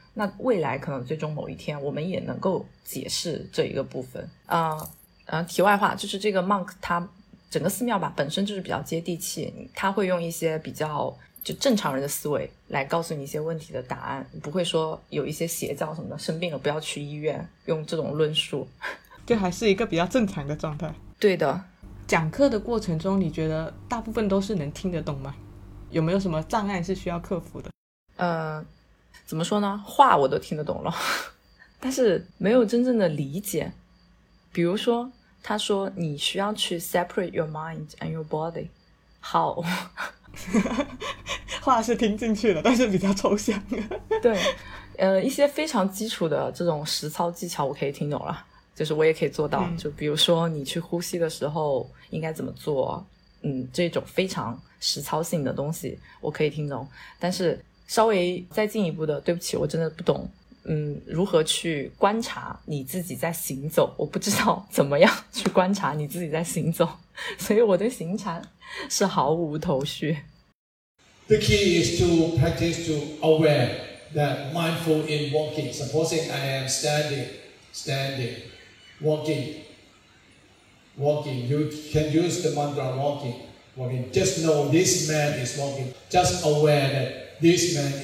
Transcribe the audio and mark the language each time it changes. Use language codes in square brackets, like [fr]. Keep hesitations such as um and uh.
[zh] 那未来可能最终某一天，我们也能够解释这一个部分啊呃，嗯、题外话就是这个 monk 他整个寺庙吧，本身就是比较接地气，他会用一些比较就正常人的思维来告诉你一些问题的答案，不会说有一些邪教什么的，生病了不要去医院，用这种论述，就还是一个比较正常的状态。对的，讲课的过程中，你觉得大部分都是能听得懂吗？有没有什么障碍是需要克服的？嗯。怎么说呢？话我都听得懂了，但是没有真正的理解。比如说，他说你需要去 separate your mind and your body。好， 话是听进去了，但是比较抽象。对，呃，一些非常基础的这种实操技巧，我可以听懂了，就是我也可以做到。嗯、就比如说，你去呼吸的时候应该怎么做？嗯，这种非常实操性的东西，我可以听懂，但是。稍微再进一步的，对不起，我真的不懂，嗯，如何去观察你自己在行走，我不知道怎么样去观察你自己在行走，所以我对行禅是毫无头绪。 [en] The key is to practice to aware that mindful in walking. Supposing I am standing, standing, walking, walking, you can use the mantra walking, walking. Just know this man is walking. Just aware that. this That this this standing.